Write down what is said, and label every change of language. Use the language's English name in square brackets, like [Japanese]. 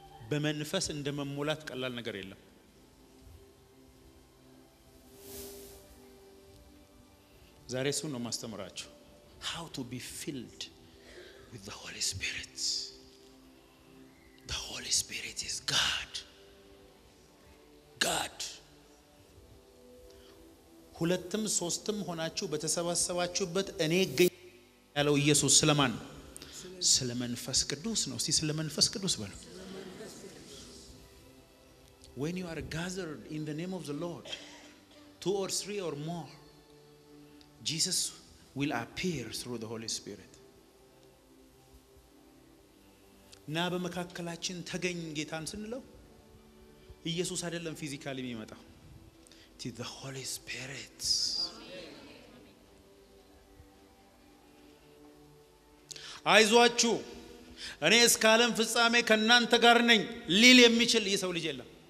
[Amharic] በመንፈስ እንደመሞላት ቀላል ነገር የለም። ዛሬ እሱን ነው ማስተምራችሁ። [English] How to be filled with the Holy Spirit. The Holy Spirit is God. God. [Amharic] ሁለትም ሶስትም ሆናችሁ በተሰባሰባችሁበት እኔ ገኝ ያለው ኢየሱስ ስለማን? ስለመንፈስ ቅዱስ ነው። እስቲ ስለመንፈስ ቅዱስ በሉ። [English] When you are gathered in the name of the Lord, two or three or more, Jesus will appear through the Holy Spirit. [Amharic] ና በመካከላችን ተገኝ ጌታን ስንለው ኢየሱስ አይደለም ፊዚካሊ የሚመጣው። [English] It is the Holy Spirit. [Amharic] አይዟችሁ እኔ እስከ ዓለም ፍጻሜ ከእናንተ ጋር ነኝ ሊል የሚችል የሰው ልጅ የለም።